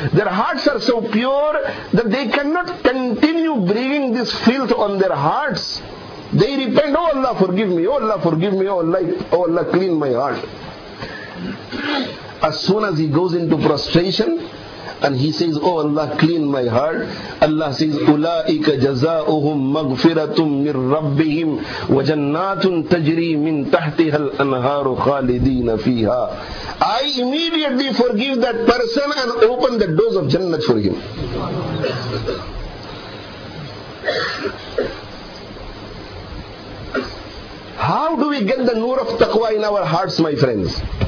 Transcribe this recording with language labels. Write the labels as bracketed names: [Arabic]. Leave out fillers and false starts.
[English] Their hearts are so pure that they cannot continue bringing this filth on their hearts. They repent, oh Allah forgive me, oh Allah forgive me, oh Allah clean my heart. As soon as he goes into prostration And he says, oh Allah, clean my heart. Allah says, [Arabic] أُولَٰئِكَ جَزَاؤُهُمْ مَغْفِرَةٌ مِّن رَبِّهِمْ وَجَنَّاتٌ تَجْرِي مِّن تَحْتِهَا الْأَنْهَارُ خَالِدِينَ فِيهَا. [English] I immediately forgive that person and open the doors of Jannah for him. How do we get the noor of taqwa in our hearts, my friends?